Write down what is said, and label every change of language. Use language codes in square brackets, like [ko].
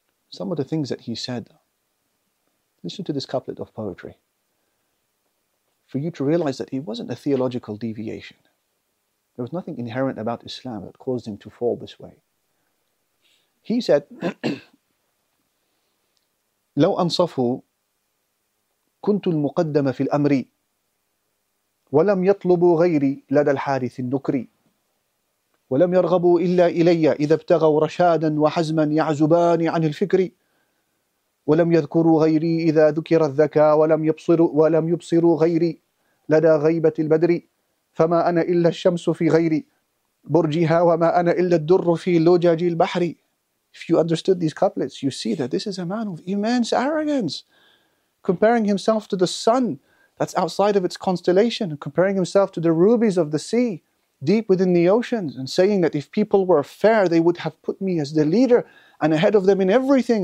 [en] Some of the things that he said, listen to this couplet of poetry, for you to realize that it wasn't a theological deviation. There was nothing inherent about Islam that caused him to fall this way. He said, [ar] لو أنصفه كنت المقدم في الأمر ولم يطلب غيري لدى الحارث النكري ولم يرغبوا إلا إلي إذا ابتغوا رشادا وحزما يعزبان عن الفكر ولم يذكروا غيري إذا ذكر الذكاء ولم يبصروا غيري لدى غيبة البدر فما أنا إلا الشمس في غيري برجها وما أنا إلا الدر في لجاج البحر. [en] If you understood these couplets, you see that this is a man of immense arrogance, comparing himself to the sun that's outside of its constellation, comparing himself to the rubies of the sea, deep within the oceans, and saying that if people were fair, they would have put me as the leader and ahead of them in everything.